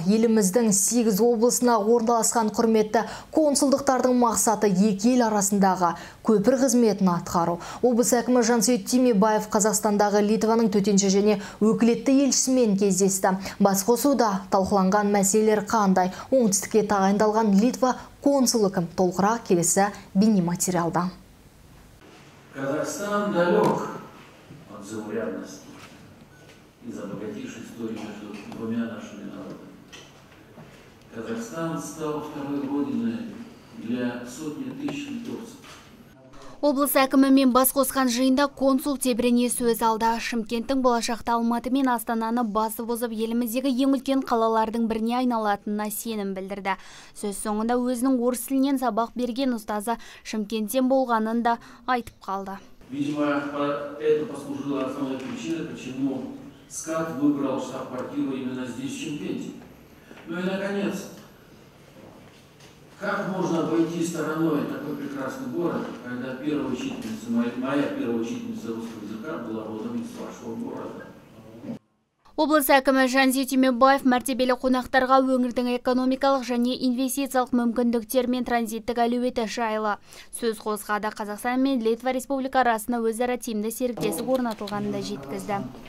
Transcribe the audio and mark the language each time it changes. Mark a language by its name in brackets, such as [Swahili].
[Kazakh] Еліміздің 8 облысына орналасқан құрметті консулдықтардың мақсаты екі ел арасындағы көпір қызметін атқару. Облыс әкімі Жансейіт Түймебаев Қазақстандағы Литваның төтенше және өкілетті елшісімен кездесті. Басқосуда талқыланған мәселелер қандай? Оңтүстікке тағайындалған Литва консулы кім? Толығырақ келесі бейнематериалда. [Russian] Казахстан далек от заурядности и за богатейшей историей между двумя нашими народами. Казахстан стал второй родиной для сотни тысяч литовцев. [Kazakh] Облыс әкімімен бас қосқан жиында консул тебірене сөз алды. Шымкенттің болашақта Алматы мен Астананы басып озып, еліміздегі ең үлкен қалалардың біріне айналатынына сенім білдірді. Сөз соңында өзінің орыс тілінен сабақ берген ұстазы Шымкенттен болғанын да айтып қалды. [Russian] Видимо, это послужило основной причиной, почему СКАТ выбрал штаб-квартиру именно здесь, в Шымкенте. Ну и, наконец, как можно обойти стороной такой прекрасный город, когда первая учительница, моя первая учительница русского языка была родом из вашего города? [Kazakh] Облыс әкімі Жансейіт Түймебаев мәртебелі қонақтарға өңірдің экономикалық және инвестициялық мүмкіндіктер мен транзиттік әлеуеті жайлы сөз қозғады. Қазақстан мен Литва Республика арасында өзара тиімді серіктестік орнатылғанын да жеткізді.